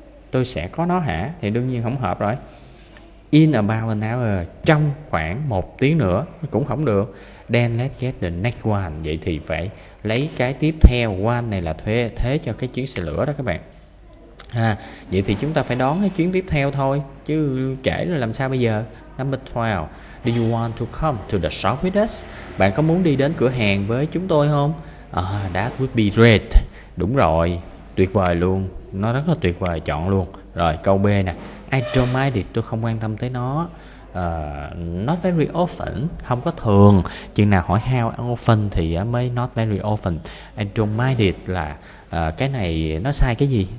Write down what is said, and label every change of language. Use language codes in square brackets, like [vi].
[vi] Tôi sẽ có nó hả? Thì đương nhiên không hợp rồi. [en] In about an hour, [vi] trong khoảng một tiếng nữa, cũng không được. [en] Then let's get the next one. [vi] Vậy thì phải lấy cái tiếp theo. One này là thuê thế cho cái chuyến xe lửa đó các bạn. Vậy thì chúng ta phải đón cái chuyến tiếp theo thôi, chứ trễ rồi làm sao bây giờ. [en] Number 12. Do you want to come to the shop with us? [vi] Bạn có muốn đi đến cửa hàng với chúng tôi không? [en] That would be great. [vi] Đúng rồi, tuyệt vời luôn. Nó rất là tuyệt vời, chọn luôn. Rồi câu B nè. [en] I don't mind it, [vi] tôi không quan tâm tới nó. [en] Not very often, [vi] không có thường. Chừng nào hỏi [en] how often [vi] thì mới [en] not very often. I don't mind it [vi] là cái này nó sai cái gì.